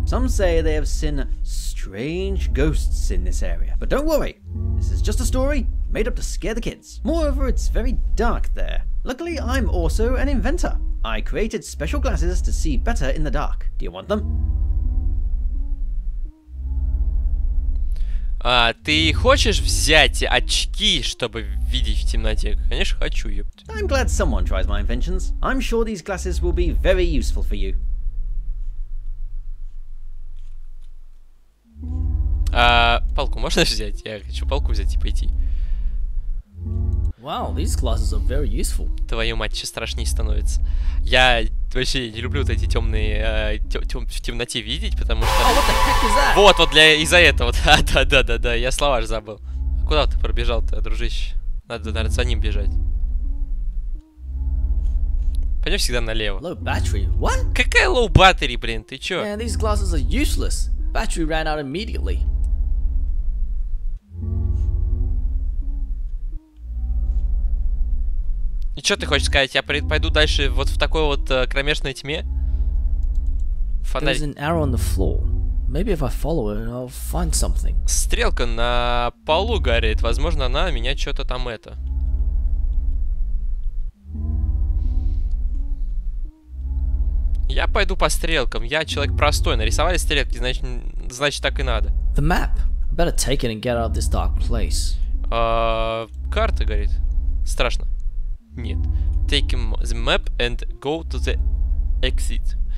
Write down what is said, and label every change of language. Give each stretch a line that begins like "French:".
English: Some say they have seen strange ghosts in this area. But don't worry, this is just a story made up to scare the kids. Moreover, it's very dark there. Luckily, I'm also an inventor. I created special glasses to see better in the dark. Do you want them?
Russian: Ты хочешь взять очки, чтобы видеть в темноте? Конечно, хочу, ёпта.
English: I'm glad someone tries my inventions. I'm sure these glasses will be very useful for you.
Russian: Палку можно взять? Я хочу палку взять и пойти.
English: Wow, these glasses are very useful.
Russian: Твою мать, чё страшнее становится. Я вообще не люблю вот эти темные в темноте видеть, потому что...
English: Oh, what the heck is that?
Russian: Вот, вот для из-за этого. Да, я слова же забыл. Куда ты пробежал-то, дружище? Надо, наверное, за ним бежать. Пойдем всегда налево.
English: Low battery, what?
Russian: Какая
English: low battery,
Russian: блин, ты чё?
English: Man, these glasses are useless. Battery ran out immediately.
Russian: И что ты хочешь сказать? Я пойду дальше вот в такой вот кромешной тьме? Фонарь.
English: There's an arrow on the floor. Maybe if I follow it, I'll find something.
Russian: Стрелка на полу горит. Возможно, она меня что-то там это. Я пойду по стрелкам. Я человек простой. Нарисовали стрелки, значит так и надо.
English: The map. Better take it and get out of this dark place.
Russian: Карта горит. Страшно. Нет.
English: Take the map and go to the exit.